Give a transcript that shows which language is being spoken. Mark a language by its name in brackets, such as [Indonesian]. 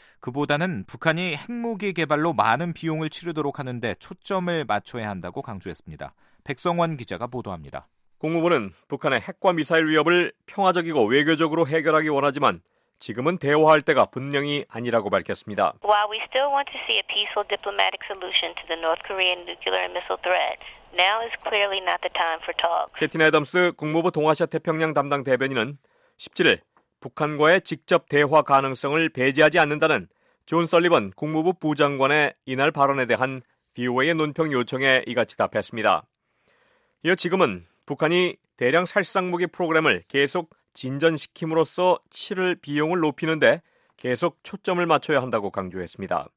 [Korean] 그보다는 북한이 핵무기 개발로 많은 비용을 치르도록 하는데 초점을 맞춰야 한다고 강조했습니다. 백성원 기자가 보도합니다. 국무부는 북한의 핵과 미사일 위협을 평화적이고 외교적으로 해결하기 원하지만 지금은 대화할 때가 분명히 아니라고 밝혔습니다. [English] While we still want to see a peaceful diplomatic solution to the North Korean nuclear missile threat, now is clearly not the time for talk. [Korean] 캐티 애덤스 국무부 동아시아 태평양 담당 대변인은 17일 북한과의 직접 대화 가능성을 배제하지 않는다는 존 설리번 국무부 부장관의 이날 발언에 대한 VOA의 논평 요청에 이같이 답했습니다. 이어 지금은 북한이 대량 살상무기 프로그램을 계속 진전시킴으로써 치를 비용을 높이는데 계속 초점을 맞춰야 한다고 강조했습니다.